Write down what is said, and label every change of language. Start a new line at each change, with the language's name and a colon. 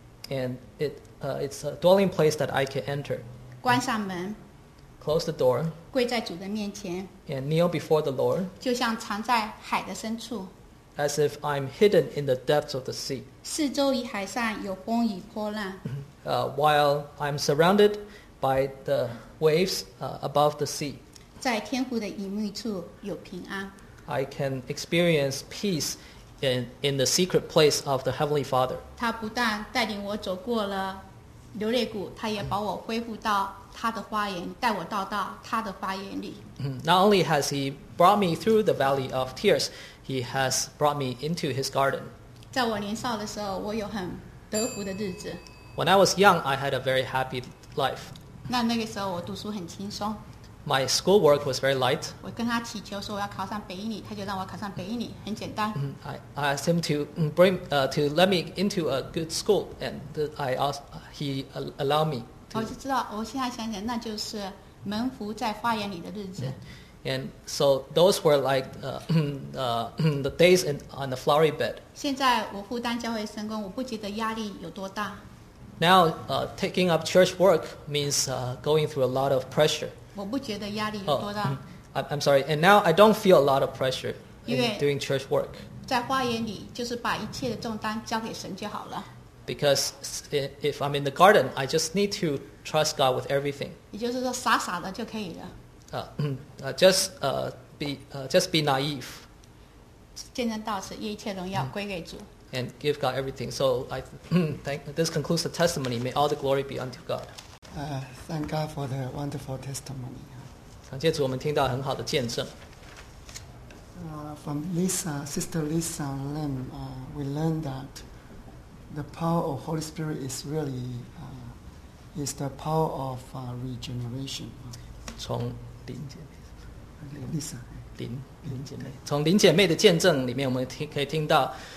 English: and it's a dwelling place that I can enter.
Chinese: 关上门
English: close the door.
Chinese: 跪在主的面前
English: and kneel before the Lord.
Chinese: 就像藏在海的深处
English: as if I'm hidden in the depths of the sea.
Chinese: 四周与海上有风雨波浪
English: while I'm surrounded by the waves above the sea.
Chinese: 在天父的隐密处有平安
English: I can experience peace. In the secret place of the Heavenly Father.
Chinese: 他不但带领我走过了流泪谷，他也把我恢复到他的花园，带我到他的花园里。
English: Not only has he brought me through the valley of tears, he has brought me into his garden.
Chinese: 在我年少的时候，我有很得福的日子。
English: When I was young, I had a very happy life.
Chinese: 那个时候我读书很轻松。
English: My schoolwork was very light.
Chinese: 我跟他祈求说我要考上北一女，他就让我考上北一女，很简单。
English: I asked him to bring to let me into a good school, and he allowed me.
Chinese: 我就知道，我现在想想，那就是门徒在花园里的日子。
English: And so those were like the days on the flowery bed.
Chinese: 现在我负担教会圣工，我不觉得压力有多大。
English: Now taking up church work means going through a lot of pressure.
Chinese: 我不觉得压力有多大。
English: I'm sorry. And now I don't feel a lot of pressure in doing church work.
Chinese: 在花园里，就是把一切的重担交给神就好了。
English: Because if I'm in the garden, I just need to trust God with everything.
Chinese: 也就是说，傻傻的就可以了。
English: Just be naive.
Chinese: 见证到此，一切荣耀归给主。
English: And give God everything. So this concludes the testimony. May all the glory be unto God. Thank God for the wonderful testimony.
Chinese: 感谢主，我们听到很好的见证。
English: From Lisa, Sister Lisa Lim, we learned that the power of Holy Spirit is really is the power of regeneration.
Chinese: 从林姐妹，Lisa 林姐妹，从林姐妹的见证里面，我们可以听到。